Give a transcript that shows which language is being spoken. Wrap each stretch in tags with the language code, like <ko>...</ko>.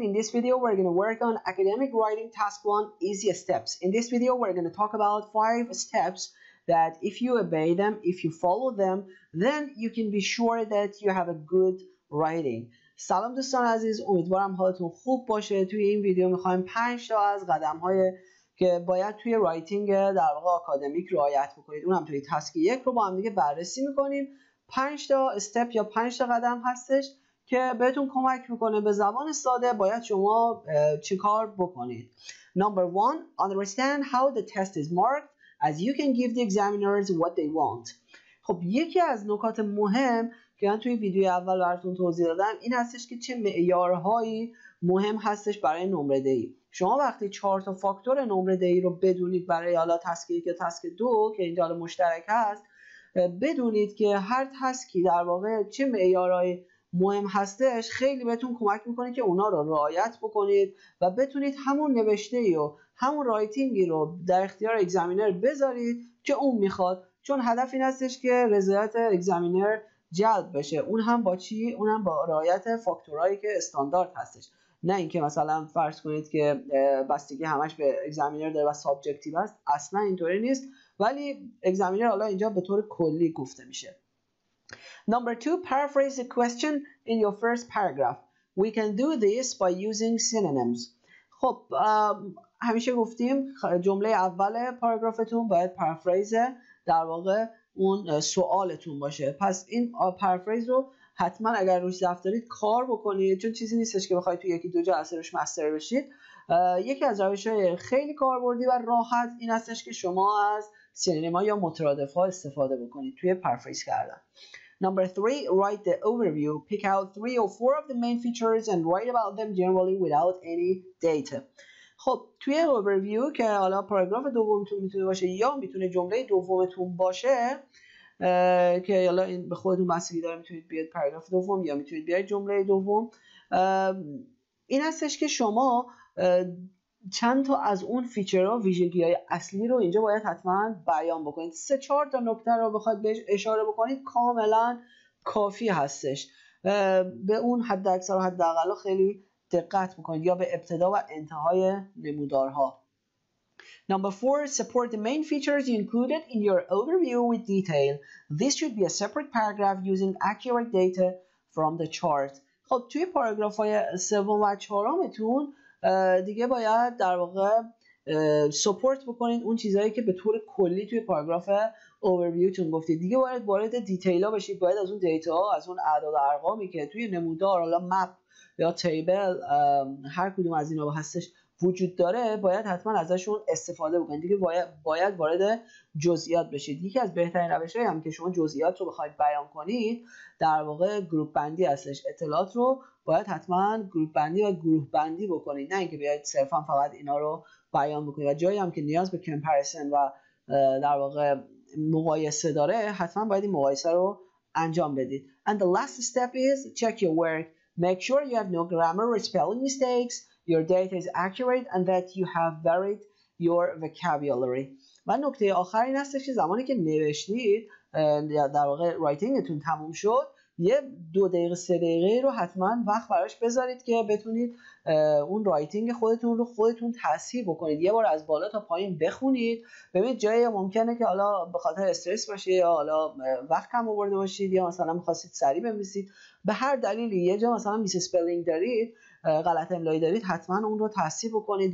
<en>In this video, we're going to work on Academic Writing Task 1 Easy Steps. In this video, we're going to talk about 5 steps that if you obey them, if you follow them, then you can be sure that you have a good writing.</en> <fa>سلام دوستان عزیز، امیدوارم حالتون خوب باشه. توی این ویدیو میخوایم 5 تا از قدم های که باید توی رایتینگ در واقع آکادمیک رعایت بکنید، اونم توی تسک 1 رو با هم دیگه بررسی میکنیم. 5 تا استپ یا 5 تا قدم هستش که بهتون کمک میکنه به زبان ساده باید شما چیکار بکنید.</fa> <en>Number 1, understand how the test is marked as you can give the examiners what they want.</en> <fa>خب یکی از نکات مهم که من توی ویدیو اول براتون توضیح دادم این هستش که چه معیارهایی مهم هستش برای نمره دهی. شما وقتی 4 تا فاکتور نمره دهی رو بدونید برای حالا تسک 1 یا تسک 2 که اینجا مشترک هست، بدونید که هر تسکی در واقع چه معیارهایی مهم هستش، خیلی بهتون کمک میکنه که اونا رو رعایت بکنید و بتونید همون نوشته ای و همون رایتینگی رو در اختیار اگزامینر بذارید که اون میخواد، چون هدف این هستش که رضایت اگزامینر جلب بشه، اون هم با چی؟ اون هم با رعایت فاکتورایی که استاندارد هستش، نه اینکه مثلا فرض کنید که بستگی همش به اگزامینر داره و سابجکتیو است. اصلا اینطوری نیست، ولی اگزامینر حالا اینجا به طور کلی گفته میشه.</fa> <en>Number 2, paraphrase the question in your first paragraph. We can do this by using synonyms.</en> <fa>خب همیشه گفتیم جمله اول پاراگرافتون باید پارافریز در واقع اون سوالتون باشه. پس این پارافریز رو حتما اگر روش دفت دارید کار بکنید، چون چیزی نیستش که بخواید تو یکی دو جلسه روش مستر بشید. یکی از روش‌های خیلی کاربردی و راحت این هستش که شما از سینما یا مترادف ها استفاده بکنید توی پارافریز کردن.</fa> <en>Number 3, write the overview. Pick out 3 or 4 of the main features and write about them generally without any data.</en> <fa>خب توی overview که حالا پاراگراف دومتون میتونه باشه یا میتونه جمله دومتون باشه که حالا این به خودتون بستگی داره، میتونید بیاید پاراگراف دوم یا میتونید بیاید جمله دوم. این هستش که شما چند تا از اون فیچرها ویژگی های اصلی رو اینجا باید حتما بیان بکنید. 3-4 تا نکته رو بخواید بهش اشاره بکنید کاملا کافی هستش. به اون حد اکثر و حد اقل خیلی دقت بکنید یا به ابتدا و انتهای نمودارها.</fa> <en>Number 4, support the main features you included in your overview with detail. This should be a separate paragraph using accurate data from the chart.</en> <fa>خب توی پاراگراف های 3 و 4 دیگه باید در واقع سپورت بکنید اون چیزهایی که به طور کلی توی پاراگراف اوورویوتون گفتید. دیگه باید وارد دیتیل ها بشید، باید از اون دیتا ها، از اون اعداد و ارقامی که توی نمودار حالا مپ یا تیبل هر کدوم از اینا هستش وجود داره، باید حتما ازشون استفاده بکنید. دیگه باید وارد جزئیات بشید. یکی از بهترین روش هایی هم که شما جزئیات رو بخواید بیان کنید در واقع گروپ بندی هستش. اطلاعات رو باید حتما گروپ بندی و گروه بندی بکنید، نه اینکه بیاید صرفا فقط اینا رو بیان بکنید. و جایی هم که نیاز به کمپرسن و در واقع مقایسه داره حتما باید این مقایسه رو انجام بدید.</fa> <en>And the last step is check your work. Make sure you have no grammar or spelling mistakes, your data is accurate and that you have varied your vocabulary.</en> <fa>و نکته آخر این هستش که زمانی که نوشتید در واقع رایتینگتون تموم شد، یه 2-3 دقیقه رو حتما وقت براش بذارید که بتونید اون رایتینگ خودتون رو خودتون تصحیح بکنید. یه بار از بالا تا پایین بخونید، ببینید جایی ممکنه که حالا به خاطر استرس باشه یا حالا وقت کم آورده باشید یا مثلا می‌خواستید سریع بنویسید، به هر دلیلی یه جا مثلا میس اسپلینگ دارید، غلط املایی دارید، حتما اون رو تصحیح بکنید.</fa>